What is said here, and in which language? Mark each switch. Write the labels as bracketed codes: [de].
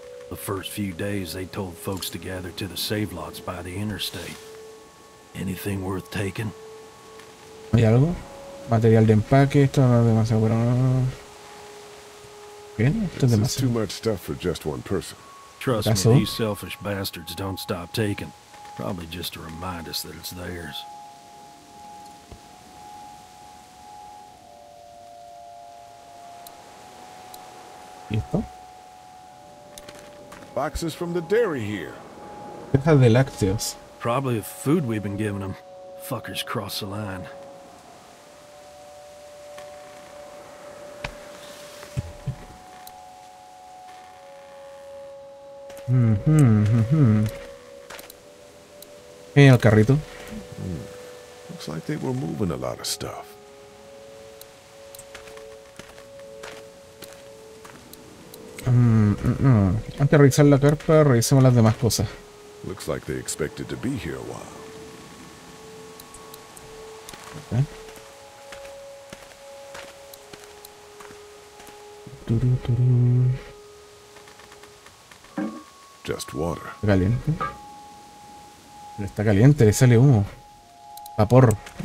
[en] The first few days they told folks to gather to the save lots by the interstate. Anything worth taking? [es] ¿Hay algo? Material de empaque, esto no es demasiado bueno. [en] This is too much stuff for just one person. Trust me, these selfish bastards don't stop taking. Probably just to remind us that it's theirs. [es] ¿Listo? [en] Boxes from the dairy here. [es] Cajas de lácteos. [en] Probably the food we've been giving them. Fuckers cross the line. [es] ¿Qué hay en el carrito? [en] Looks like they were moving a lot of stuff. [es] Antes de revisar la carpa, revisemos las demás cosas. [en] Looks like they expected to be here a while. Just water. [es] Caliente. Pero está caliente, le sale humo. Vapor.